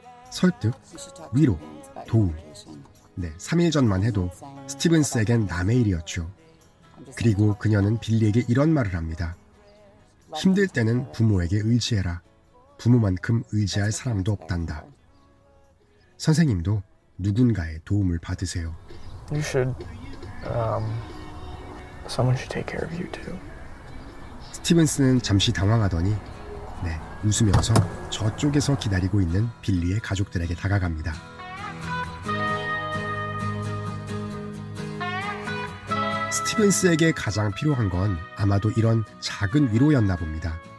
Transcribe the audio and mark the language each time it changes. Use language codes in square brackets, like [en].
[ko] 설득, 위로, 도움. 네, 3일 전만 해도 스티븐스에겐 남의 일이었죠. 그리고 그녀는 빌리에게 이런 말을 합니다. 힘들 때는 부모에게 의지해라. 부모만큼 의지할 사람도 없단다. 선생님도 누군가의 도움을 받으세요. [en] You should, someone should take care of you too. [ko] 스티븐스는 잠시 당황하더니 네, 웃으면서 저쪽에서 기다리고 있는 빌리의 가족들에게 다가갑니다. 스티븐스에게 가장 필요한 건 아마도 이런 작은 위로였나 봅니다.